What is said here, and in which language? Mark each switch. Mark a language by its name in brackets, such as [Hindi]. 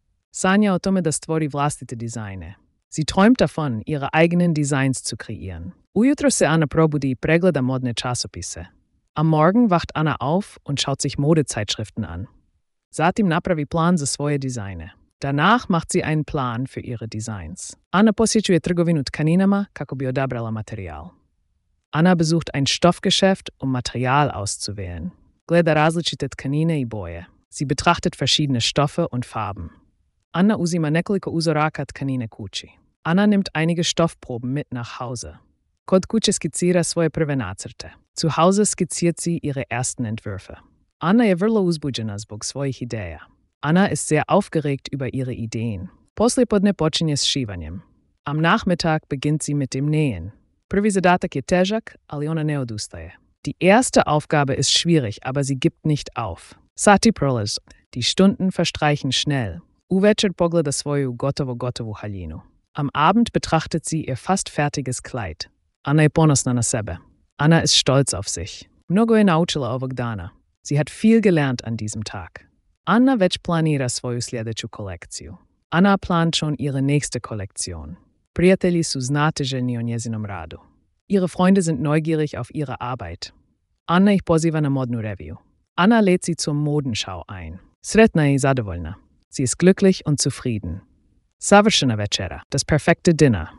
[Croatian] Sanja o tome da stvori vlastite dizajne. [German] Sie träumt davon, ihre eigenen Designs zu kreieren. [Croatian] Ujutro se Anna probudi i pregleda modne časopise. [German] Am Morgen wacht Anna auf und schaut sich Modezeitschriften an. [Croatian] Zatim napravi plan za svoje dizajne. [German] Danach macht sie einen Plan für ihre Designs. [Croatian] Anna posjećuje trgovinu tkaninama kako bi odabrala materijal. [German] Anna besucht ein Stoffgeschäft, um Material auszuwählen. [Croatian] Gleda različite tkanine i boje. [German] Sie betrachtet verschiedene Stoffe und Farben. [Croatian] Anna uzima nekoliko uzoraka tkanine kući. [German] Anna nimmt einige Stoffproben mit nach Hause. [Croatian] Kod kuće skizira svoje prve nacrte. [German] Zu Hause skizziert sie ihre ersten Entwürfe. [Croatian] Anna je vrlo uzbuđena zbog svojih ideja. [German] Anna ist sehr aufgeregt über ihre Ideen. [Croatian] Poslijepodne počinje s šivanjem. [German] Am Nachmittag beginnt sie mit dem Nähen. [Croatian] Prvi zadatak je težak, ali ona ne odustaje. [German] Die erste Aufgabe ist schwierig, aber sie gibt nicht auf. [Croatian] Sati prolaze. [German] Die Stunden verstreichen schnell. [Croatian] Uvečer pogleda svoju gotovu haljinu. [German] Am Abend betrachtet sie ihr fast fertiges Kleid. [Croatian] Anna je ponosna na sebe. [German] Anna ist stolz auf sich. [Croatian] Mnogo je naučila ovog dana. [German] Sie hat viel gelernt an diesem Tag. [Croatian] Anna već planira svoju sljedeću kolekciju. [German] Anna plant schon ihre nächste Kolektion. [Croatian] Prijatelji su znatiželjni o njezinom radu. [German] Ihre Freunde sind neugierig auf ihre Arbeit. [Croatian] Anna ich poziva na modnu reviju. [German] Anna lädt sie zur Modenschau ein. [Croatian] Sretna je i zadovoljna. [German] Sie ist glücklich und zufrieden. [Croatian] Savršena večera. [German] Das perfekte Dinner.